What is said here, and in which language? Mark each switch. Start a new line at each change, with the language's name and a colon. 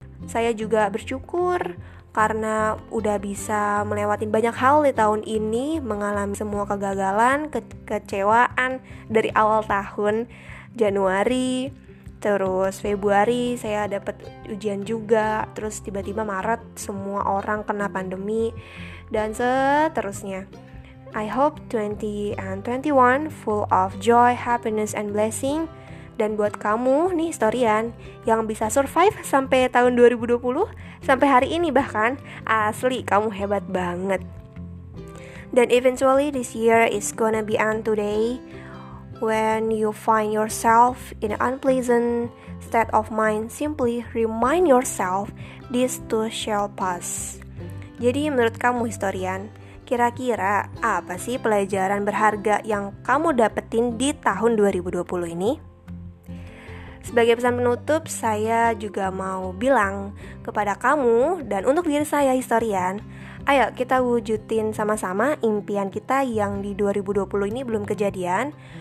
Indonesian: Saya juga bersyukur karena udah bisa melewati banyak hal di tahun ini, mengalami semua kegagalan, kekecewaan dari awal tahun Januari. Terus Februari saya dapat ujian juga, terus tiba-tiba Maret semua orang kena pandemi dan seterusnya.
English: I hope 2021 full of joy, happiness and blessing.
Indonesian: Dan buat kamu nih historian yang bisa survive sampai tahun 2020, sampai hari ini bahkan, asli kamu hebat banget.
English: Dan eventually this year is gonna be end today. When you find yourself in an unpleasant state of mind, simply remind yourself this too shall pass.
Indonesian: Jadi menurut kamu historian, kira-kira apa sih pelajaran berharga yang kamu dapetin di tahun 2020 ini? Sebagai pesan penutup, saya juga mau bilang kepada kamu dan untuk diri saya historian, ayo kita wujudin sama-sama impian kita yang di 2020 ini belum kejadian.